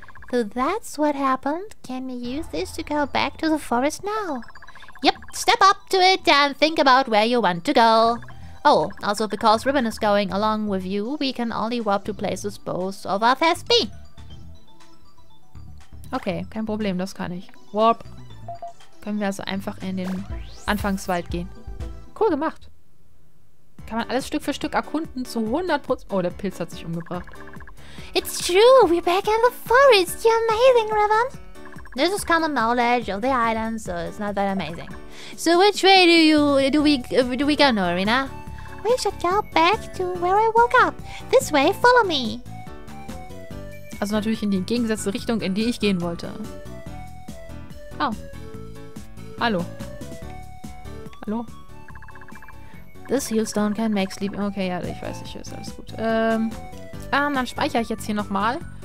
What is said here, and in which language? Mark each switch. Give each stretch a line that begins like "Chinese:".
English: So that's what happened. Can we use this to go back to the forest now? Yep, step up to it and think about where you want to go. Oh, also because Ribbon is going along with you, we can only warp to places both of us has been.
German: Okay, kein Problem, das kann ich. Warp. Können wir also einfach in den Anfangswald gehen. Cool gemacht. Kann man alles Stück für Stück erkunden zu 100%. Oh, der Pilz hat sich umgebracht.
English: It's true, we're back in the forest. You're amazing, Ribbon. This is common knowledge of the island, so it's not that amazing. So which way do we go now, Arena? We should go back to where I woke up. This way, follow me.
German: Also natürlich in die entgegengesetzte Richtung, in die ich gehen wollte. Oh. Hallo. Hallo.
English: This Healstone can make sleep.
German: Okay, ja, ich weiß, ich ist alles gut. Dann speichere ich jetzt hier nochmal.